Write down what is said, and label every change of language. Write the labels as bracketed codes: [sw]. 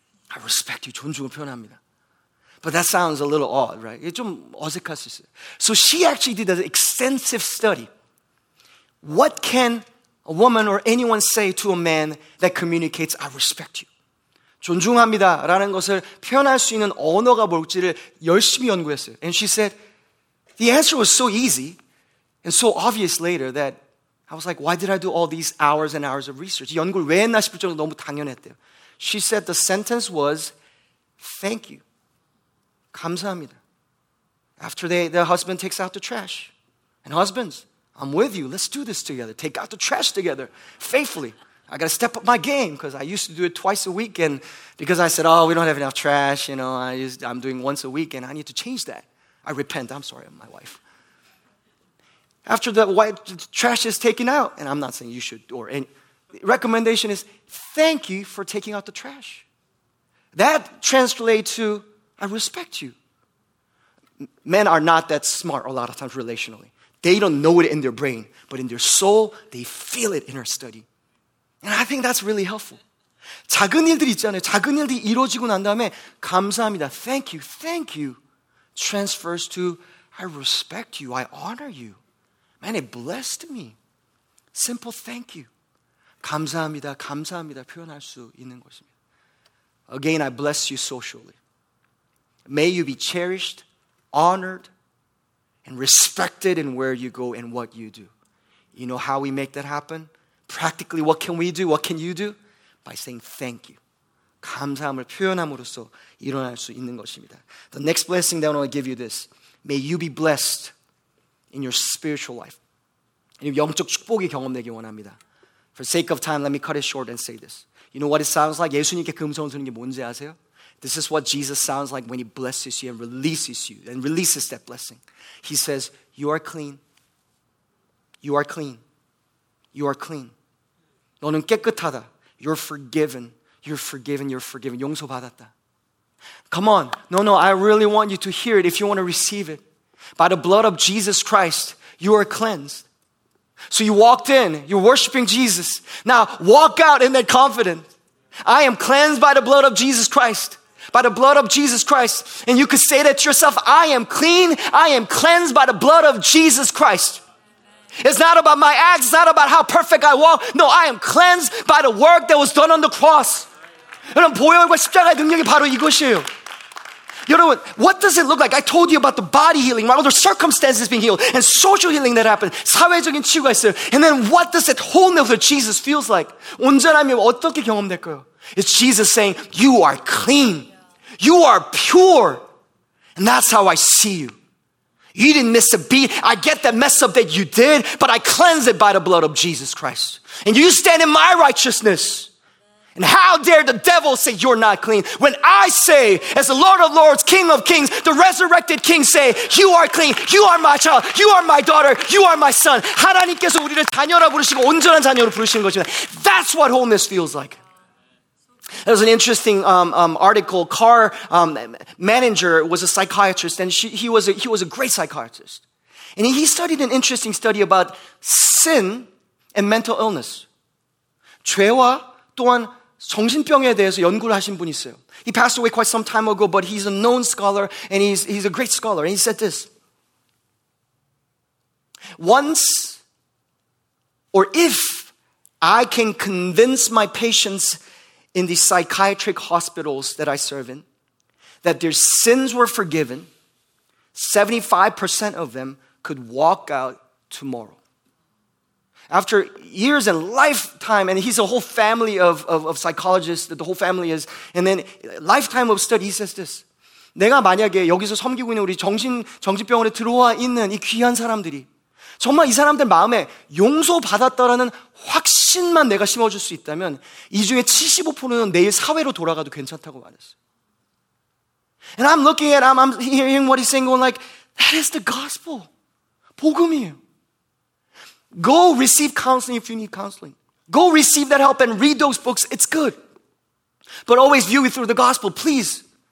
[en] I respect you, [ko] 존중을 표현합니다. [en] But that sounds a little odd, right? [ko] 좀 어색할 수 있어요. [en] So she actually did an extensive study. What can a woman or anyone say to a man that communicates, I respect you? [ko] 존중합니다 라는 것을 표현할 수 있는 언어가 뭘지를 열심히 연구했어요. [en] And she said, the answer was so easy and so obvious later that I was like, why did I do all these hours and hours of research? [ko] 연구를 왜 했나 싶을 정도로 너무 당연했대요. [en] She said the sentence was, thank you. [ko] 감사합니다. [en] After the husband takes out the trash. And husbands, I'm with you. Let's do this together. Take out the trash together faithfully. I got to step up my game because I used to do it twice a week. And because I said, oh, we don't have enough trash. You know, I'm doing once a week and I need to change that. I repent. I'm sorry, my wife. After the trash is taken out, and I'm not saying you should, or any, the recommendation is, thank you for taking out the trash. That translates to, I respect you. Men are not that smart a lot of times relationally. They don't know it in their brain, but in their soul, they feel it in our study. And I think that's really helpful. [ko] 작은 일들 있잖아요. 작은 일들이 이루어지고 난 다음에 감사합니다. [en] Thank you transfers to I respect you, I honor you. Man, it blessed me. Simple thank you. [ko] 감사합니다, 감사합니다 표현할 수 있는 것입니다. [en] Again, I bless you socially. May you be cherished, honored, and respected in where you go and what you do. You know how we make that happen? Practically, what can we do? What can you do? By saying thank you. [ko] 감사함을 표현함으로써 일어날 수 있는 것입니다. [en] The next blessing that I want to give you this. May you be blessed in your spiritual life. [ko] 영적 축복이 경험되기 원합니다. [en] For sake of time, let me cut it short and say this. You know what it sounds like? [ko] 예수님께 금성을 드는 게 뭔지 아세요? [en] This is what Jesus sounds like when he blesses you and releases you and releases that blessing. He says, you are clean. You are clean. You are clean. [ko] 너는 깨끗하다. [en] You're forgiven. You're forgiven. You're forgiven. [ko] 용서 받았다. [en] Come on. No, I really want you to hear it if you want to receive it. By the blood of Jesus Christ, you are cleansed. So you walked in. You're worshiping Jesus. Now walk out in that confidence. I am cleansed by the blood of Jesus Christ. By the blood of Jesus Christ. And you could say that to yourself, I am clean. I am cleansed by the blood of Jesus Christ. It's not about my acts. It's not about how perfect I walk. No, I am cleansed by the work that was done on the cross. [ko] 여러분, 보혈과 십자가의 능력이 바로 이것이에요. 여러분, [en] what does it look like? I told you about the body healing, right? All the circumstances being healed and social healing that happened. [ko] 사회적인 치유가 있어요. [en] And then what does that wholeness of Jesus feels like? [ko] 온전함이 어떻게 경험될까요? [en] It's Jesus saying, you are clean. You are pure. And that's how I see you. You didn't miss a beat. I get that mess up that you did, but I cleanse it by the blood of Jesus Christ. And you stand in my righteousness. And how dare the devil say you're not clean when I say, as the Lord of Lords, King of Kings, the resurrected King say, you are clean, you are my child, you are my daughter, you are my son. [ko] 하나님께서 우리를 자녀라 부르시고 온전한 자녀로 부르시는 것입니다. [en] That's what wholeness feels like. There was an interesting article. Car manager was a psychiatrist, and he was a great psychiatrist. And he studied an interesting study about sin and mental illness. 죄와 또한 정신병에 대해서 연구를 하신 분이 있어요. He passed away quite some time ago, but he's a known scholar, and he's a great scholar. And he said this. Once, or if I can convince my patients in the psychiatric hospitals that I serve in that their sins were forgiven, 75% of them could walk out tomorrow. After years and lifetime, and he's a whole family of psychologists, that the whole family is, and then lifetime of study, he says this, [ko] 내가 만약에 여기서 섬기고 있는 우리 정신병원에 들어와 있는 이 귀한 사람들이 정말 이 사람들 마음에 용서받았다라는 확신만 내가 심어줄 수 있다면 이 중에 75%는 내일 사회로 돌아가도 괜찮다고 말했어. [en] And I'm looking at, I'm hearing what he's saying, going like, that is the gospel. [ko] 복음이에요. [en] Go receive counseling if you need counseling. Go receive that help and read those books. It's good. But always view it through the gospel, please.